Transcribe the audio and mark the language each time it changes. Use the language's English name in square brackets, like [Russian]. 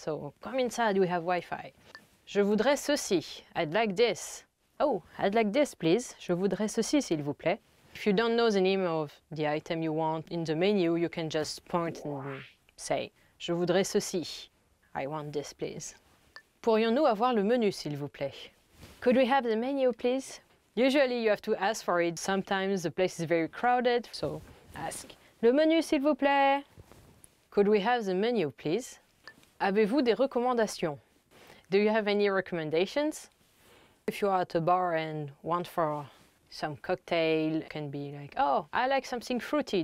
[English] So come inside, we have Wi-Fi. [French] Je voudrais ceci. [English] I'd like this. Oh, I'd like this, please. [French] Je voudrais ceci, s'il vous plaît. [English] If you don't know the name of the item you want in the menu, you can just point and say, [French] je voudrais ceci. [English] I want this, please. [French] Pourrions-nous avoir le menu, s'il vous plaît? [English] Could we have the menu, please? Usually you have to ask for it. Sometimes the place is very crowded, so ask. [French] Le menu, s'il vous plaît. [English] Could we have the menu, please? [French] Avez-vous des recommandations? [English] Do you have any recommendations? If you are at a bar and want for some cocktail, can be like, oh, I like something fruity.